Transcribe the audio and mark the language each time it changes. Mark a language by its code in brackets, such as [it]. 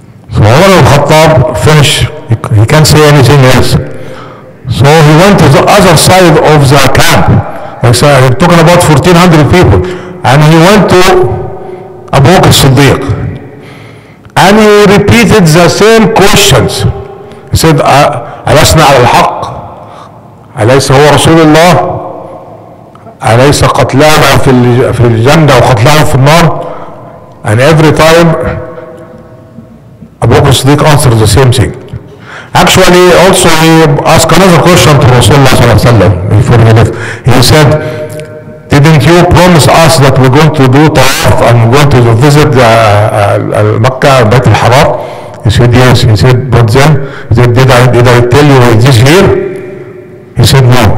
[en] So عمر بن الخطاب finish, he can't say anything else. So he went to the other side of the camp. He's talking about 1400 people. And he went to Abu Bakr Siddiq. And he repeated the same questions. He said, [ar] ألسنا على الحق؟ أليس هو رسول الله؟ أليس قتلاهم في الجنة وقتلاهم في النار؟ [en] And every time Abu Bakr Siddiq answered the same thing. Actually, also he asked another question to Rasulullah sallallahu alaihi wasallam before he left. He said, "Didn't you promise us that we're going to do tawaf and we're going to visit Mecca, Bayt al-Haram?" He said, "Yes." He said, "But then, he said, did I tell you this year?" He said, "No."